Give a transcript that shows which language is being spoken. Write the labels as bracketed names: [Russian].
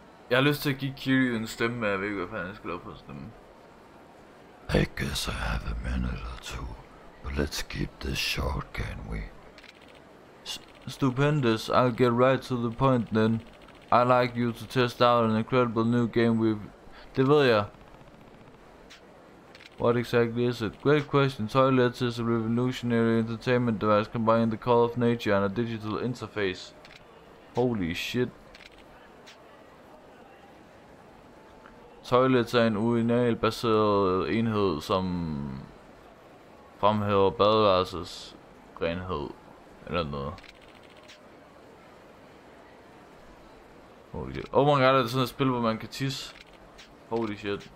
[Danish] Jeg har lyst til at give Kiryu en stemme, men jeg ved ikke, hvad fanden jeg skal lave på stemmen. [English] I guess I have a minute or two, but let's keep this short, can we? Stupendous, I'll get right to the point then. I'd like you to test out an incredible new game with... [Danish] Det ved jeg. [English] What exactly is it? Great question. Toilets is a revolutionary entertainment device combining the call of nature and a digital interface. Holy shit. [Danish] Toilets er en urinalbaseret enhed, som fremhæver badeværelses renhed eller noget. [English] Oh my god, [Danish] er det sådan et spil, hvor man kan tisse? [English] Holy shit.